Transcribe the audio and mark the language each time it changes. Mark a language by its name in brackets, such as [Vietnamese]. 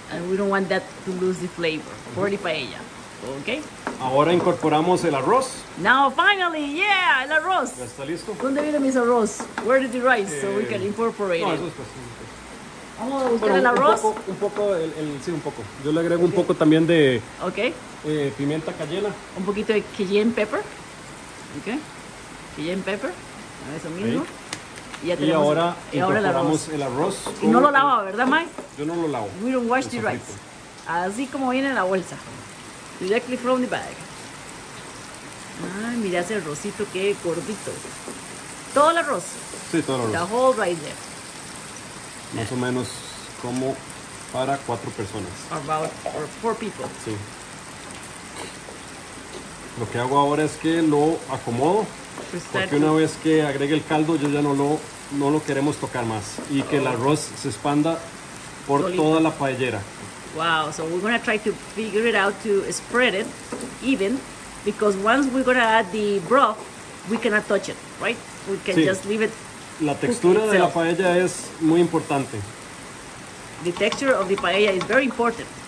[English] And we don't want that to lose the flavor for the paella. Okay. [Spanish] Ahora incorporamos el arroz. [English] Now finally, yeah, el arroz. [Spanish] ¿Ya está listo? ¿Dónde viene mi arroz? [English] Where did the rice so we can incorporate it? [Spanish] No, eso es fácil. Vamos a buscar el arroz. Un poco. Yo le agrego un poco también de pimienta cayena. Un poquito de cayenne pepper. Ok. Cayenne pepper. Eso mismo. Y, ya tenemos, y ahora incorporamos el arroz. Y no lo lava, ¿verdad, Mike? Yo no lo lavo. [English] We don't wash the rice. [Spanish] Así como viene en la bolsa. [English] Directly from the bag. [Spanish] Ay, mira ese arrocito, qué gordito. Todo el arroz. Sí, todo el arroz. [English] The whole rice there. [Spanish] Más o menos como para 4 personas. [English] About for 4 people. [Spanish] Sí. Lo que hago ahora es que lo acomodo. Porque una vez que agregue el caldo, yo ya no lo queremos tocar más. Y que el arroz se expanda por toda la paellera. [English] Wow, so we're going to try to figure it out to spread it even. Because once we're going to add the broth, we cannot touch it, right? We can just leave it. [Spanish] La textura de la paella es muy importante. [English] The texture of the paella is very important.